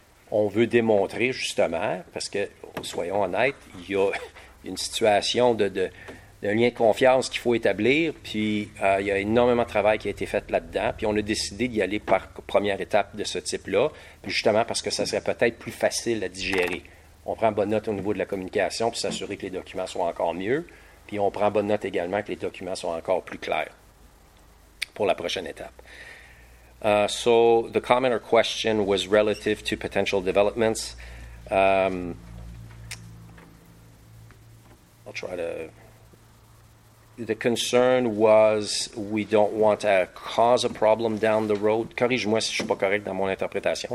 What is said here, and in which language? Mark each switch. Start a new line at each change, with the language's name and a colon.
French: On veut démontrer justement, parce que, soyons honnêtes, il y a une situation de lien de confiance qu'il faut établir, puis il y a énormément de travail qui a été fait là-dedans, puis on a décidé d'y aller par première étape de ce type-là, puis justement parce que ça serait peut-être plus facile à digérer. on prend bonne note au niveau de la communication pour s'assurer que les documents soient encore mieux. Puis on prend bonne note également que les documents soient encore plus clairs pour la prochaine étape.
English: So the comment or question was relative to potential developments. I'll try to... The concern was we don't want to cause a problem down the road.
French: Corrige-moi si je suis pas correct dans mon interprétation.